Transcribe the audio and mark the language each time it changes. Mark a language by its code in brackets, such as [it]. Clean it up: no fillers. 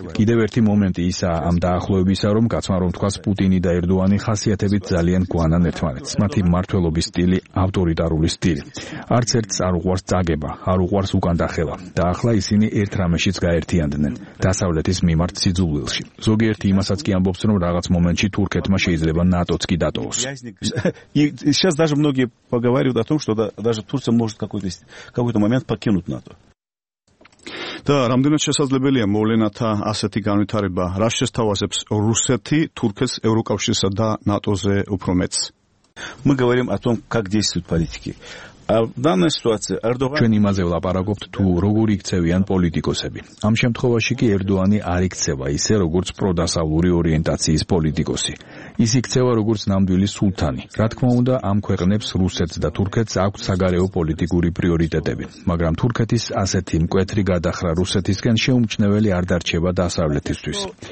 [ka] კიდევ ერთი მომენტი ისაა ამ დაახლოებისა, რომ კაცმა რომ თქვას, პუტინი და ერდოანი ხასიათებით ძალიან გვანან ერთმანეთს. მათი მართველობის სტილი ავტორიტარული სტილი. არც ერთს არ უყვარს წაგება, არ უყვარს უკან დახევა. და ახლა ისინი ერთ რამეშიც გაერთიანდნენ, დასავლეთის მიმართ სიძულვილში. ზოგიერთი იმასაც კი ამბობს, რომ რაღაც მომენტში თურქეთმა შეიძლება ნატოც კი დატოვოს. [ru] Сейчас даже многие поговаривают о том, что даже Турция может какой-то момент покинуть НАТО. [ka] და რამდენად შესაძლებელია მოვლენათა ასეთი განვითარება? რა შეესთავაზებს რუსეთი თურქეთს ევროკავშირსა და ნატოზე უფრო მეტს? [ru] Мы говорим о том, как действуют политики. А в данной ситуации Эрдоган [ka] ჩვენ იმაზე ვლაპარაკობთ, თუ როგორი იქცევიან პოლიტიკოსები. ამ შემთხვევაში კი ერდოანი არ იქცევა ისე, როგორც პროდასავლური ორიენტაციის პოლიტიკოსი. ის იქცევა როგორც ნამდვილი სულთანი. რა თქმა უნდა, ამ ქვეყნებს, რუსეთს და თურქეთს, აქვს საგარეო პოლიტიკური პრიორიტეტები, მაგრამ თურქეთის ასეთი მკვეთრი გადახრა რუსეთისგან შეუმჩნეველი არ დარჩება დასავლეთისთვის.